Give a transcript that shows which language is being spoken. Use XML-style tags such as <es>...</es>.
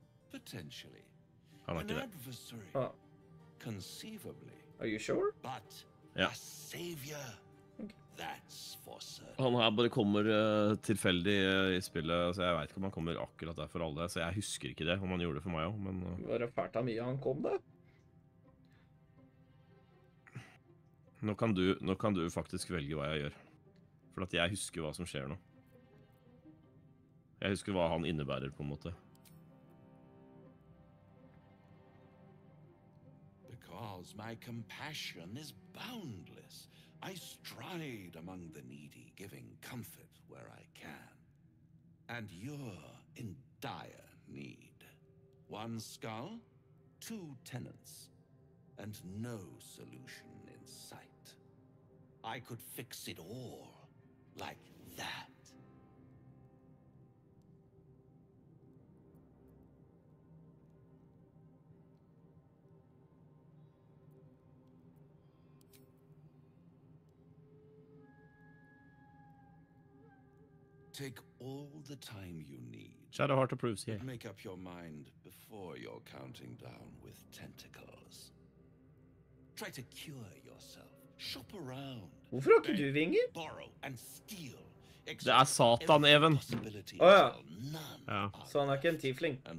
<en>Potentially. An adversary. Oh. Conceivably. Are you sure? But yeah. A savior. That's for certain.</en> <no>Han her bare kommer tilfeldig i spillet, så jeg vet ikke om han kommer akkurat der for alle, så jeg husker ikke det, om han gjorde det for meg også, men... Var det fælt av mye han kom det? Nå kan du faktisk velge hva jeg gjør. For at jeg husker hva som skjer nå. Jeg husker hva han innebærer, på en måte.</no> <en>because my compassion is boundless. I stride among the needy, giving comfort where I can. And you're in dire need. One skull, two tenants, and no solution in sight. I could fix it all like that. Take all the time you need. Shadow Heart approves here. Make up your mind before you're counting down with tentacles. Try to cure yourself. Shop around.</en> <no>Hvorfor har ikke du vinger?</no> <en>Borrow and steal.</en> <no>Det er Satan, Even. Åja. Så han er ikke en tiefling?</no>